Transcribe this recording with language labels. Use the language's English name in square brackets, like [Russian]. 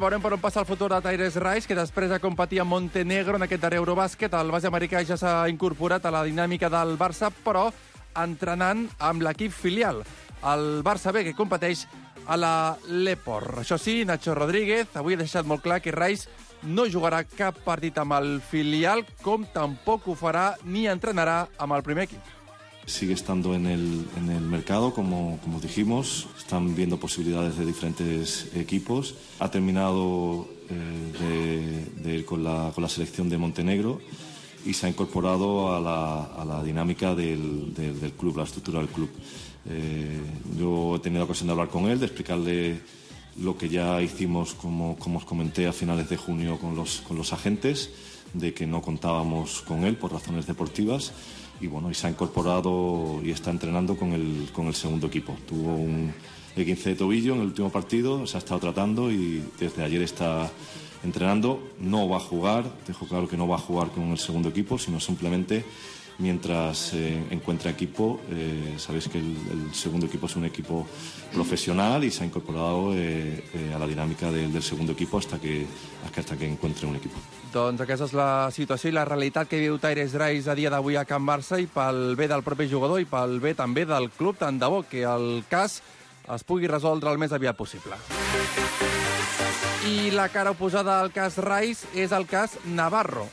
[Catalan] Veurem per on passa el futur de Tyrese Rice, que després de competir a Montenegro en aquest darrer Eurobàsquet, el base americà ja s'ha incorporat a la dinàmica del Barça, però entrenant amb l'equip filial, el Barça B, que competeix a la Lepor. Això sí, Nacho Rodríguez avui ha deixat molt clar que Rice no jugarà cap partit amb el filial, com tampoc ho farà ni entrenarà amb el primer equip. [Spanish] Sigue estando en el mercado, como dijimos. Están viendo posibilidades de diferentes equipos. Ha terminado de ir con la selección de Montenegro y se ha incorporado a la dinámica del club, la estructura del club. Yo he tenido ocasión de hablar con él, de explicarle lo que ya hicimos, como os comenté, a finales de junio con los agentes, de que no contábamos con él por razones deportivas. Y bueno, y se ha incorporado y está entrenando con el segundo equipo. Tuvo un esguince de tobillo en el último partido, se ha estado tratando y desde ayer está entrenando. No va a jugar, dejo claro que no va a jugar con el segundo equipo, sino simplemente mientras encuentra equipo. Sabéis que el segundo equipo es un equipo profesional y se ha incorporado a la dinámica del segundo equipo hasta que encuentre un equipo. [Catalan] Doncs aquesta és la situació i la realitat que viu Tyrese Rice a dia d'avui a Can Barça, i pel bé del propi jugador i pel bé també del club, tant de bo que el cas es pugui resoldre el més aviat possible. I la cara oposada al cas Rice és el cas Navarro.